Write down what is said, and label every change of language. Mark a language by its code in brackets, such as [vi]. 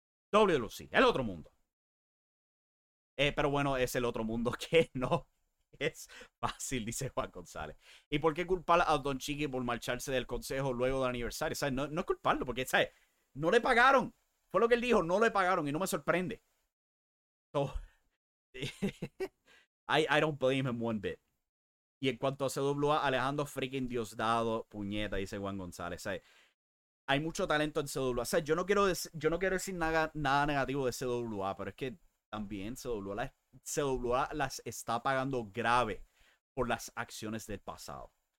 [es] WWE, el otro mundo. Pero bueno, es el otro mundo que no es fácil, dice Juan González. ¿Y por qué culpar a Don Chiqui por marcharse del consejo luego del aniversario? ¿Sabes? No es culparlo, porque ¿sabes? No le pagaron. Fue lo que él dijo, no le pagaron y no me sorprende. [en] So, I don't blame him one bit. [es] Y en cuanto a CWA, Alejandro freaking Diosdado, puñeta, dice Juan González. ¿Sabes? Hay mucho talento en CWA. O sea, yo no quiero decir nada negativo de CWA, pero es que también CWA las está pagando grave por las acciones del pasado.